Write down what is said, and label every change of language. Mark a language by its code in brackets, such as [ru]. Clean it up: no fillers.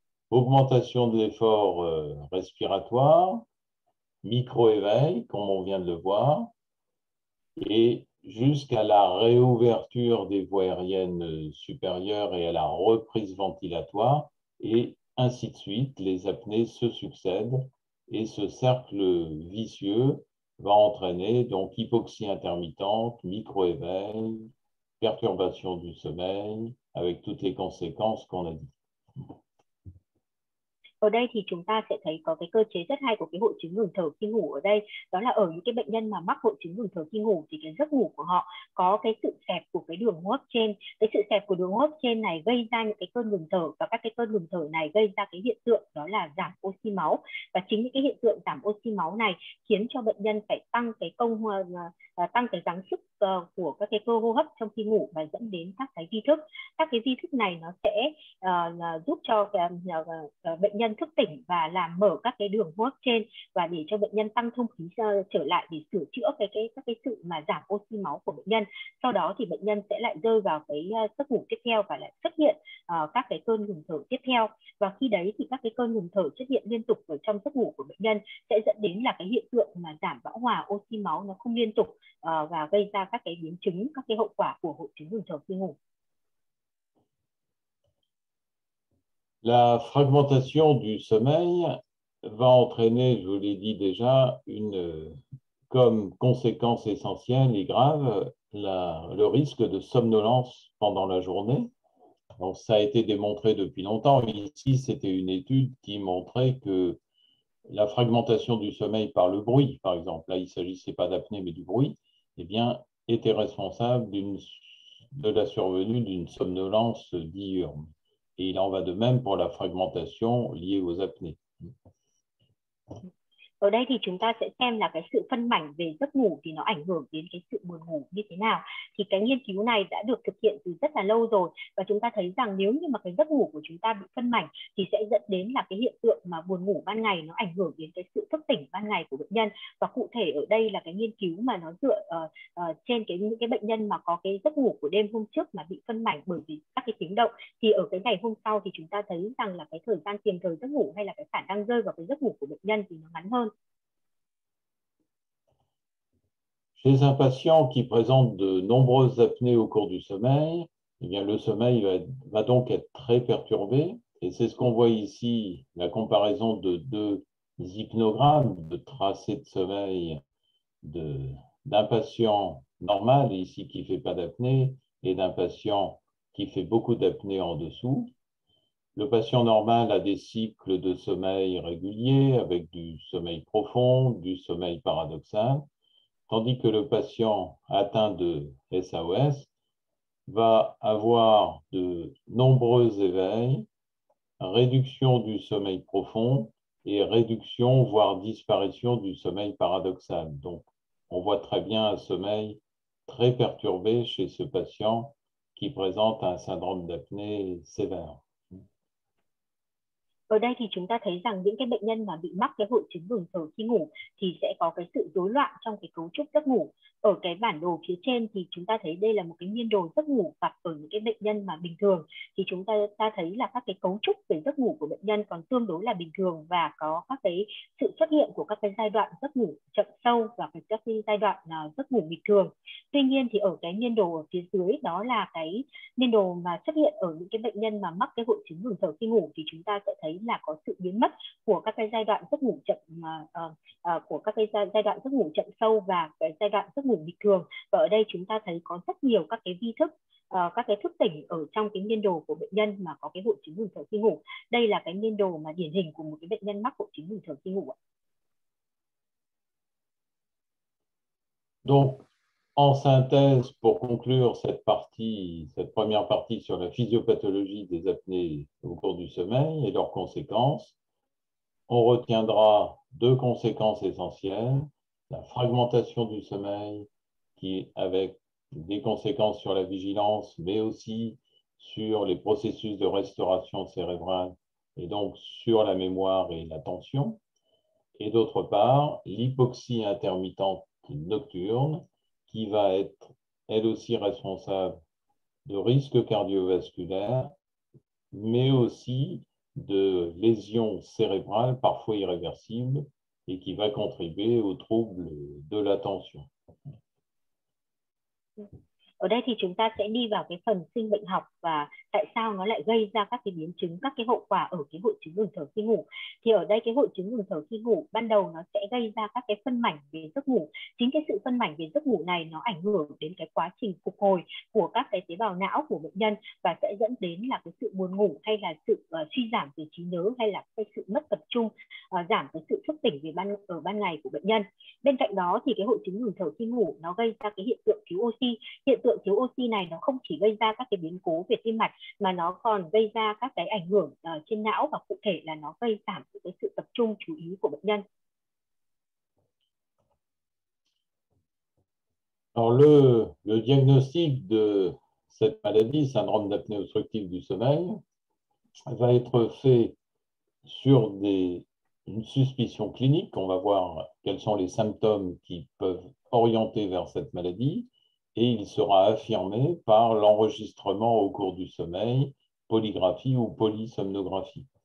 [fr] Augmentation de l'effort respiratoire, micro-éveil, comme on vient de le voir, et jusqu'à la réouverture des voies aériennes supérieures et à la reprise ventilatoire, et ainsi de suite, les apnées se succèdent, et ce cercle vicieux va entraîner donc hypoxie intermittente, micro-éveil, perturbation du sommeil, avec toutes les conséquences qu'on a dites. [vi] Ở đây thì chúng ta sẽ thấy có cái cơ chế rất hay của cái hội chứng ngừng thở khi ngủ ở đây, đó là ở những cái bệnh nhân mà mắc hội chứng ngừng thở khi ngủ thì cái giấc ngủ của họ có cái sự xẹp của cái đường hô hấp trên. Cái sự xẹp của đường hô hấp trên này gây ra những cái cơn ngừng thở, và các cái cơn ngừng thở này gây ra cái hiện tượng đó là giảm oxy máu, và chính những cái hiện tượng giảm oxy máu này khiến cho bệnh nhân phải tăng cái gắng sức của các cái cơ hô hấp trong khi ngủ, và dẫn đến các cái vi thức. Các cái vi thức này nó sẽ giúp cho bệnh nhân nhân thức tỉnh và làm mở các cái đường hô hấp trên, và để cho bệnh nhân tăng thông khí trở lại để sửa chữa cái sự mà giảm oxy máu của bệnh nhân. Sau đó thì bệnh nhân sẽ lại rơi vào cái giấc ngủ tiếp theo và lại xuất hiện các cái cơn ngừng thở tiếp theo. Và khi đấy thì các cái cơn ngừng thở xuất hiện liên tục ở trong giấc ngủ của bệnh nhân sẽ dẫn đến là cái hiện tượng mà giảm bão hòa oxy máu nó không liên tục và gây ra các cái biến chứng, các cái hậu quả của hội chứng ngừng thở khi ngủ. [fr] La fragmentation du sommeil va entraîner, je vous l'ai dit déjà, une comme conséquence essentielle et grave, le risque de somnolence pendant la journée. Donc ça a été démontré depuis longtemps. Ici, c'était une étude qui montrait que la fragmentation du sommeil par le bruit, par exemple, là il ne s'agissait pas d'apnée mais du bruit, eh bien, était responsable de la survenue d'une somnolence diurne. Et il en va de même pour la fragmentation liée aux apnées. [vi] Ở đây thì chúng ta sẽ xem là cái sự phân mảnh về giấc ngủ thì nó ảnh hưởng đến cái sự buồn ngủ như thế nào. Thì cái nghiên cứu này đã được thực hiện từ rất là lâu rồi, và chúng ta thấy rằng nếu như mà cái giấc ngủ của chúng ta bị phân mảnh thì sẽ dẫn đến là cái hiện tượng mà buồn ngủ ban ngày nó ảnh hưởng đến cái sự thức tỉnh ban ngày của bệnh nhân. Và cụ thể ở đây là cái nghiên cứu mà nó dựa trên những cái bệnh nhân mà có cái giấc ngủ của đêm hôm trước mà bị phân mảnh bởi vì các cái tiếng động, thì ở cái ngày hôm sau thì chúng ta thấy rằng là cái thời gian tiềm thời giấc ngủ hay là cái khả năng rơi vào cái giấc ngủ của bệnh nhân thì nó ngắn hơn. [fr] Chez un patient qui présente de nombreuses apnées au cours du sommeil, eh bien le sommeil va donc être très perturbé. Et c'est ce qu'on voit ici, la comparaison de deux hypnogrammes de tracé de sommeil d'un patient normal, ici qui ne fait pas d'apnée, et d'un patient qui fait beaucoup d'apnée en dessous. Le patient normal a des cycles de sommeil réguliers avec du sommeil profond, du sommeil paradoxal. Tandis que le patient atteint de SAOS va avoir de nombreux éveils, réduction du sommeil profond et réduction, voire disparition du sommeil paradoxal. Donc, on voit très bien un sommeil très perturbé chez ce patient qui présente un syndrome d'apnée sévère. [vi] Ở đây thì chúng ta thấy rằng những cái bệnh nhân mà bị mắc cái hội chứng ngừng thở khi ngủ thì sẽ có cái sự rối loạn trong cái cấu trúc giấc ngủ. Ở cái bản đồ phía trên thì chúng ta thấy đây là một cái niên đồ giấc ngủ gặp ở những cái bệnh nhân mà bình thường, thì chúng ta thấy là các cái cấu trúc về giấc ngủ của bệnh nhân còn tương đối là bình thường và có các cái sự xuất hiện của các cái giai đoạn giấc ngủ chậm sâu và các cái giai đoạn giấc ngủ bình thường. Tuy nhiên thì ở cái niên đồ ở phía dưới, đó là cái niên đồ mà xuất hiện ở những cái bệnh nhân mà mắc cái hội chứng ngừng thở khi ngủ, thì chúng ta sẽ thấy là có sự biến mất của các cái giai đoạn giấc ngủ chậm của các cái giai đoạn giấc ngủ chậm sâu và cái giai đoạn giấc ngủ bình thường. Và ở đây chúng ta thấy có rất nhiều các cái vi thức, các cái thức tỉnh ở trong cái niên đồ của bệnh nhân mà có cái hội chứng ngừng thở khi ngủ. Đây là cái niên đồ mà điển hình của một cái bệnh nhân mắc hội chứng ngừng thở khi ngủ. [fr] Donc, en synthèse, pour conclure cette première partie sur la physiopathologie des apnées au cours du sommeil et leurs conséquences, on retiendra deux conséquences essentielles. La fragmentation du sommeil, qui avec des conséquences sur la vigilance, mais aussi sur les processus de restauration cérébrale, et donc sur la mémoire et l'attention. Et d'autre part, l'hypoxie intermittente nocturne, qui va être elle aussi responsable de risques cardiovasculaires, mais aussi de lésions cérébrales, parfois irréversibles, et qui va contribuer aux troubles de l'attention. [vi] Ở đây thì chúng ta sẽ đi vào cái phần sinh bệnh học và tại sao nó lại gây ra các cái biến chứng, các cái hậu quả ở cái hội chứng ngừng thở khi ngủ. Thì ở đây cái hội chứng ngừng thở khi ngủ ban đầu nó sẽ gây ra các cái phân mảnh về giấc ngủ. Chính cái sự phân mảnh về giấc ngủ này nó ảnh hưởng đến cái quá trình phục hồi của các cái tế bào não của bệnh nhân và sẽ dẫn đến là cái sự buồn ngủ hay là sự suy giảm về trí nhớ hay là cái sự mất tập trung, giảm cái sự thức tỉnh ở ban ngày của bệnh nhân. Bên cạnh đó thì cái hội chứng ngừng thở khi ngủ nó gây ra cái hiện tượng thiếu oxy. Hiện tượng thiếu oxy này nó không chỉ gây ra các cái biến cố về tim mạch mà nó còn gây ra các cái ảnh hưởng trên não, và cụ thể là nó gây giảm cái sự tập trung chú ý của bệnh nhân. [fr] Alors le diagnostic de cette maladie, syndrome d'apnée obstructive du sommeil, va être fait sur une suspicion clinique, on va voir quels sont les symptômes qui peuvent orienter vers cette maladie, et il sera affirmé par l'enregistrement au cours du sommeil, polygraphie ou polysomnographie.